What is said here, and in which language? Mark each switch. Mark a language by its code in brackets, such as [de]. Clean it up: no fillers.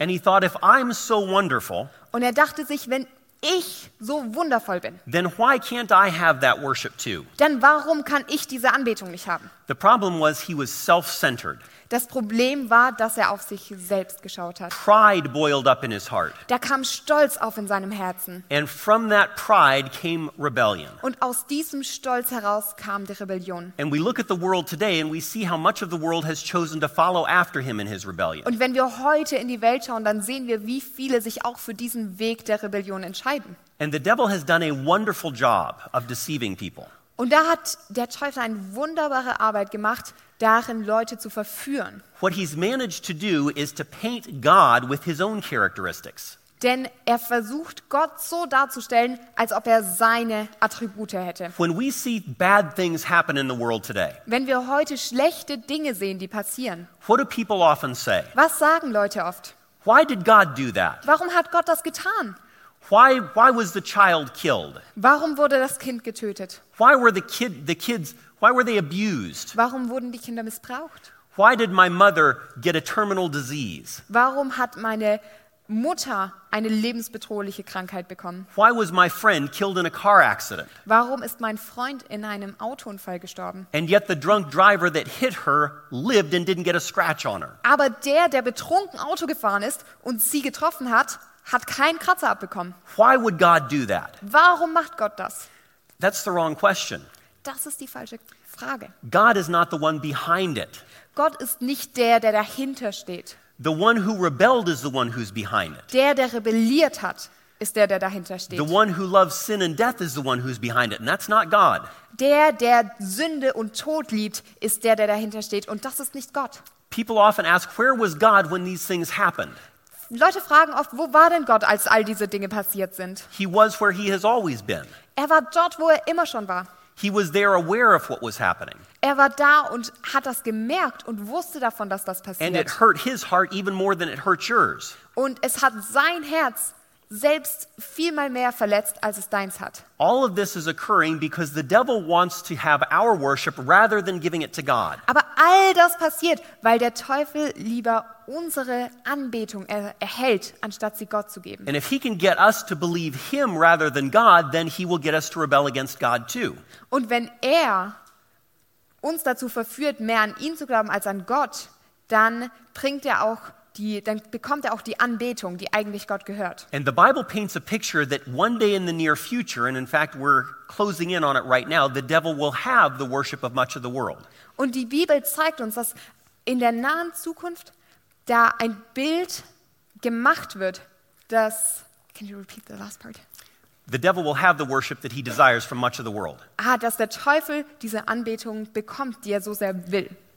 [en] And he thought, if I'm so wonderful, [de] und er dachte sich, wenn ich so wundervoll bin, [en] then why can't I have that worship too? [de] Dann warum kann ich diese Anbetung nicht haben? [en] The problem was he was self-centered. [de] Das Problem war, dass er auf sich selbst geschaut hat. [en] Pride boiled up in his heart. [de] Da kam Stolz auf in seinem Herzen. [en] And from that pride came rebellion. [de] Und aus diesem Stolz heraus kam die Rebellion. [en] And we look at the world today and we see how much of the world has chosen to follow after him in his rebellion. [de] Und wenn wir heute in die Welt schauen, dann sehen wir, wie viele sich auch für diesen Weg der Rebellion entscheiden. [en] And the devil has done a wonderful job of deceiving people. [de] Und da hat der Teufel eine wunderbare Arbeit gemacht, darin Leute zu verführen. [en] What he's managed to do is to paint God with his own characteristics. [de] Denn er versucht, Gott so darzustellen, als ob er seine Attribute hätte. [en] When we see bad things happen in the world today, [de] wenn wir heute schlechte Dinge sehen, die passieren, [en] what do people often say? [de] Was sagen Leute oft? [en] Why did God do that? [de] Warum hat Gott das getan? [en] Why was the child killed? [de] Warum wurde das Kind getötet? [en] Why were the kids why were they abused? [de] Warum wurden die Kinder missbraucht? [en] Why did my mother get a terminal disease? [de] Warum hat meine Mutter eine lebensbedrohliche Krankheit bekommen? [en] Why was my friend killed in a car accident? [de] Warum ist mein Freund in einem Autounfall gestorben? [en] And yet the drunk driver that hit her lived and didn't get a scratch on her. [de] Aber der betrunken Auto gefahren ist und sie getroffen hat, hat keinen Kratzer abbekommen. [en] Why would God do that? [de] Warum macht Gott das? [en] That's the wrong question. [de] Das ist die falsche Frage. [en] God is not the one behind it. [de] Gott ist nicht der dahinter steht. [en] The one who rebelled is the one who's behind it. [de] Der, der rebelliert hat, ist der, der dahinter steht. [en] The one who loves sin and death is the one who's behind it, and that's not God. [de] Der, der Sünde und Tod liebt, ist der, der dahinter steht, und das ist nicht Gott. [en] People often ask, where was God when these things happened? [de] Leute fragen oft, wo war denn Gott, als all diese Dinge passiert sind? [en] He was where he has always been. [de] Er war dort, wo er immer schon war. [en] He was there aware of what was happening. [de] Er war da und hat das gemerkt und wusste davon, dass das passiert. [en] And it hurt his heart even more than it hurt yours. [de] Und es hat sein Herz selbst viel mal mehr verletzt, als es deins hat. [en] All of this is occurring because the devil wants to have our worship rather than giving it to God. [de] Aber all das passiert, weil der Teufel lieber unsere Anbetung erhält, anstatt sie Gott zu geben. [en] And if he can get us to believe him rather than God, then he will get us to rebel against God too. [de] Und wenn er uns dazu verführt, mehr an ihn zu glauben als an Gott, dann bringt er auch die, dann bekommt er auch die Anbetung, die eigentlich Gott gehört. [en] And the Bible paints a picture that one day in the near future, and in fact we're closing in on it right now, the devil will have the worship of much of the world. [de] Und die Bibel zeigt uns, dass in der nahen Zukunft da ein Bild gemacht wird, das, [en] can you repeat the last part? The devil will have the worship that he desires from much of the world. [de] Ah, dass der Teufel diese Anbetung bekommt, die er so sehr will.